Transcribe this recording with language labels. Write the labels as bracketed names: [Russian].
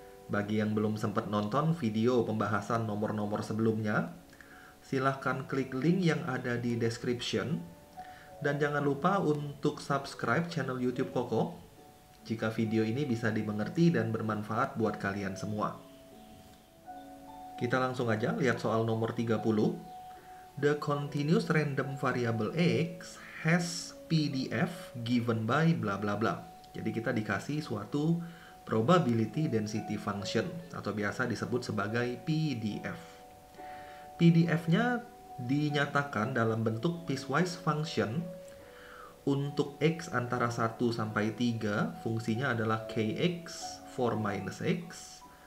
[Indonesian] Bagi yang belum sempat nonton video pembahasan nomor-nomor sebelumnya, silahkan klik link yang ada di description dan jangan lupa untuk subscribe channel YouTube Koko jika video ini bisa dimengerti dan bermanfaat buat kalian semua. Kita langsung aja lihat soal nomor 30. [English] The continuous random variable x has PDF given by bla bla bla. [Indonesian] Jadi kita dikasih suatu probability density function atau biasa disebut sebagai PDF. PDF-nya dinyatakan dalam bentuk piecewise function untuk x antara 1 sampai 3, fungsinya adalah kx [English] for minus x.